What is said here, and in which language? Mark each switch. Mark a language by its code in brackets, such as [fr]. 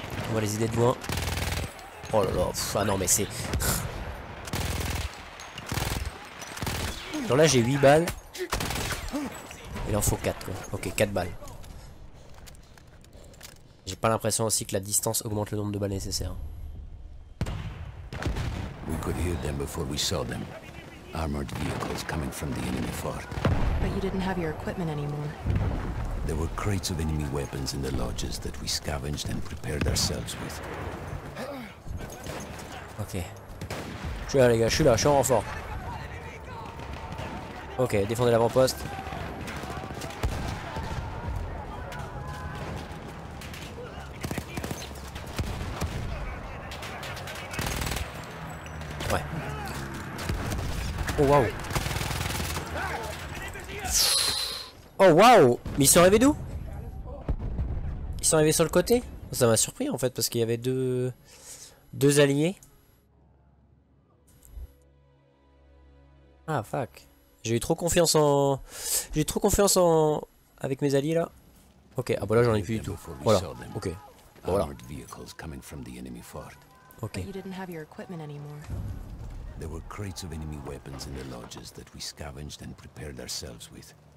[fr] On va les aider de loin. Oh là là, pff, ah non mais c'est... Genre là j'ai 8 balles. Il en faut 4 quoi. Ok, 4 balles. J'ai pas l'impression aussi que la distance augmente le nombre de balles nécessaires. [en] We could hear them before we saw them. Armored vehicles coming from the enemy fort. But you didn't have your equipment anymore. There were crates of enemy weapons in the lodges that we scavenged and prepared ourselves with. Ok. [fr] Je suis là les gars, je suis là, je suis en renfort. Ok, défendez l'avant-poste. Ouais. Oh waouh. Oh waouh. Mais ils sont arrivés d'où? Ils sont arrivés sur le côté? Ça m'a surpris en fait parce qu'il y avait deux alliés. Ah fuck. J'ai eu trop confiance en... J'ai eu trop confiance en... Avec mes alliés là. Ok, ah bah là j'en ai plus du tout. Voilà, ok. Voilà. [en] Armored vehicles coming from the enemy fort. Ok. But you didn't have your equipment anymore. There were crates of enemy weapons in the lodges that we scavenged and prepared ourselves with.